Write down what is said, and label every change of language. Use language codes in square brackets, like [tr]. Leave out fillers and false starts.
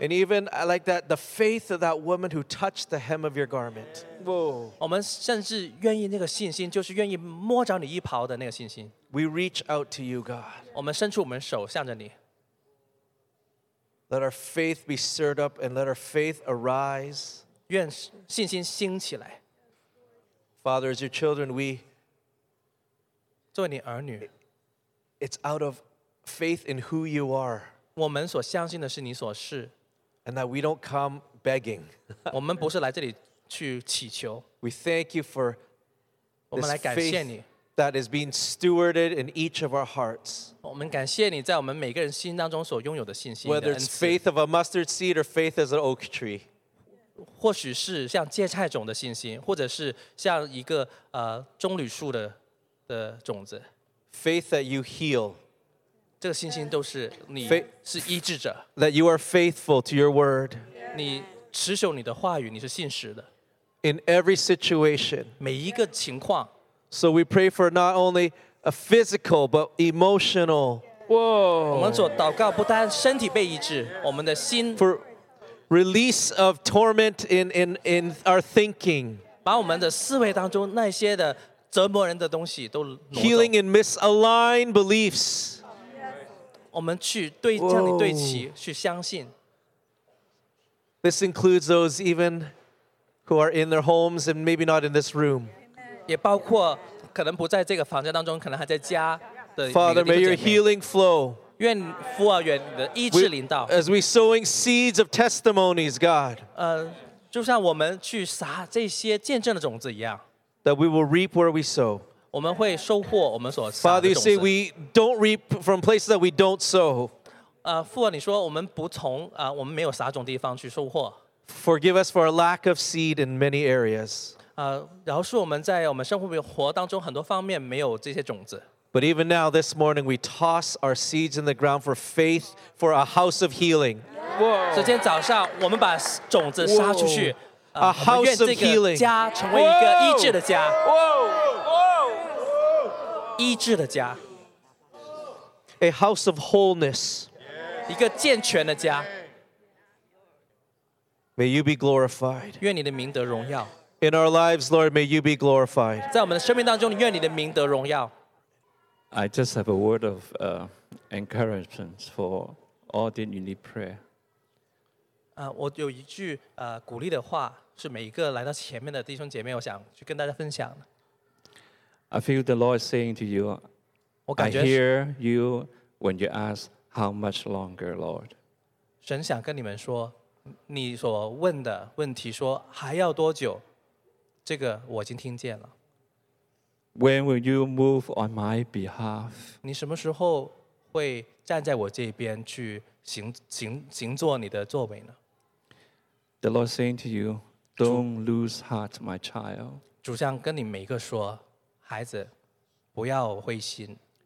[en] And even like that, the faith of that woman who touched the hem of your garment. [zh] 我们甚至愿意那个信心，就是愿意摸着你衣袍的那个信心。 [en] We reach out to you, God. [zh] 我们伸出我们手向着你。 [en] Let our faith be stirred up and let our faith arise. [zh] 愿信心兴起来。 [en] Father, as your children, we. [zh] 作为你儿女 [en] it's out of faith in who you are. [zh] 我们所相信的是你所是 [en] And that we don't come begging. [zh] 我们不是来这里去祈求 [en] We thank you for. [zh] 我们来感谢你 [en] that is being stewarded in each of our hearts. [zh] 我们感谢你在我们每个人心当中所拥有的信心 [en] Whether it's faith of a mustard seed or faith as an oak tree. [zh] 或许是像芥菜种的信心，或者是像一个棕榈树的种子。 [en] Faith that you heal， [zh] 这个信心都是你是医治者。 [en] That you are faithful to your word， [zh] 你持守你的话语，你是信实的。 [en] In every situation， [zh] 每一个情况。 [en] So we pray for not only a physical but emotional。 [zh] 我们所祷告不单身体被医治，我们的心。 [en] Release of torment in our thinking. [zh] 把我们的思维当中那些的折磨人的东西都挪走。 [en] Healing in misaligned beliefs. [zh] 我们去对向你对齐，去相信。 [en] This includes those even who are in their homes and maybe not in this room. [zh] 也包括可能不在这个房间当中，可能还在家的弟兄姐妹。 [en] Father, may your healing flow. [zh] 愿父啊，愿你的医治临到。 [en] As we sowing seeds of testimonies, God. [zh] 就像我们去撒这些见证的种子一样。 [en] That we will reap where we sow. [zh] 我们会收获我们所撒的种子。 [en] Father, you say we don't reap from places that we don't sow. [zh] 父啊，你说我们不从我们没有撒种地方去收获。 [en] Forgive us for our lack of seed in many areas. [zh] 饶恕我们在我们生活当中很多方面没有这些种子。 [en] But even now, this morning, we toss our seeds in the ground for faith for a house of healing. So, [zh] 今天早上我们把种子撒出去 [en] a house of healing. [zh] 家成为一个医治的家 医治的家 [en] A house of wholeness. [zh] 一个健全的家 [en] May you be glorified. [zh] 愿你的名得荣耀 [en] In our lives, Lord, may you be glorified. [zh] 在我们的生命当中，愿你的名得荣耀 [en] I just have a word of encouragement for all that you need prayer. [zh] 我有一句鼓励的话，是每一个来到前面的弟兄姐妹，我想去跟大家分享。 [en] I feel the Lord saying to you, [zh] 我感觉 [en] I hear you when you ask how much longer, Lord. [zh] 神想跟你们说，你所问的问题说还要多久，这个我已经听见了。 [en] When will you move on my behalf? [zh] 你什么时候会站在我这边去行做你的作为呢？ [en] The Lord saying to you, "Don't lose heart, my child." [zh] 主将跟你每一个说，孩子，不要灰心。